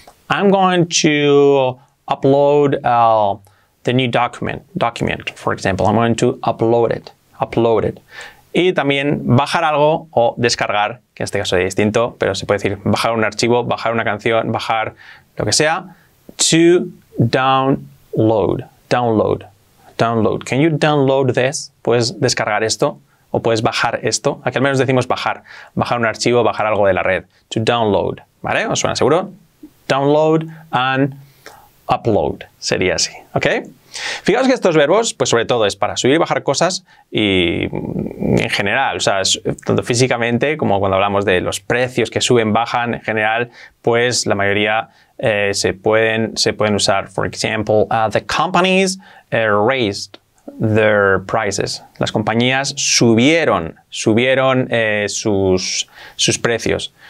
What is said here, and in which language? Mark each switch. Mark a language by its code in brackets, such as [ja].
[en] I'm going to upload the new document. Document, for example. I'm going to upload it. Upload it. [es] Y también bajar algo o descargar, que en este caso es distinto, pero se puede decir bajar un archivo, bajar una canción, bajar lo que sea. [en] To download. Download. Download. Can you download this? [es] ¿Puedes descargar esto? ¿O puedes bajar esto? Aquí al menos decimos bajar. Bajar un archivo, bajar algo de la red. [en] To download. [es] ¿Vale? ¿Os suena seguro? Download and upload. Sería así. ¿Ok? Fijaos que estos verbos, pues sobre todo es para subir y bajar cosas y en general, o sea, tanto físicamente como cuando hablamos de los precios que suben, bajan, en general, pues la mayoría se pueden usar. [en] For example, the companies raised their prices. [es] Las compañías subieron sus precios.